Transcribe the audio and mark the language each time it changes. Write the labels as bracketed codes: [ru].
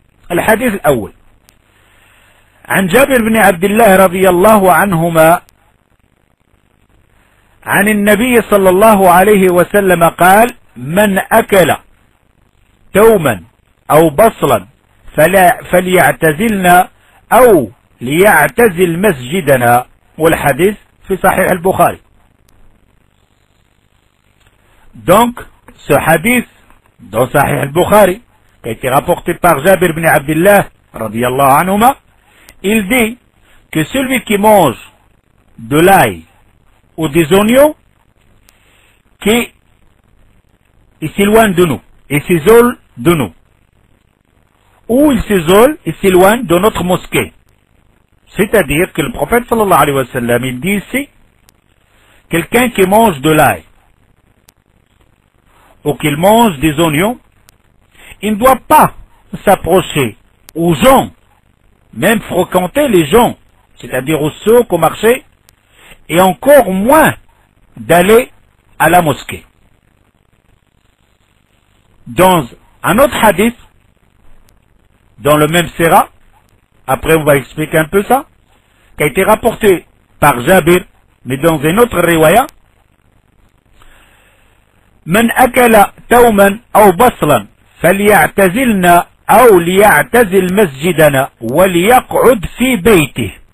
[ar] الحديث الاول عن جابر بن عبد الله رضي الله عنهما عن النبي صلى الله عليه وسلم قال من أكل توما أو بصلا فليعتزلنا أو ليعتزل مسجدنا. والحديث في صحيح البخاري. [fr] دونك سو حديث دون صحيح البخاري كي تي رابورتي بار جابر بن عبد الله رضي الله عنهما il dit que celui qui mange de l'ail ou des oignons, qui s'éloignent de nous, et s'isolent de nous. Ou ils s'isolent et s'éloignent de notre mosquée. C'est-à-dire que le prophète sallallahu alayhi wa sallam, il dit ici, quelqu'un qui mange de l'ail, ou qu'il mange des oignons, il ne doit pas s'approcher aux gens, même fréquenter les gens, c'est-à-dire au souk, au marché, et encore moins d'aller à la mosquée. Dans un autre hadith, dans le même sera, après on va expliquer un peu ça, qui a été rapporté par Jabir, mais dans un autre riwaya, [ar] من أكل توما أو بصلا فليعتزلنا أو ليعتزل مسجدنا وليقعد في بيته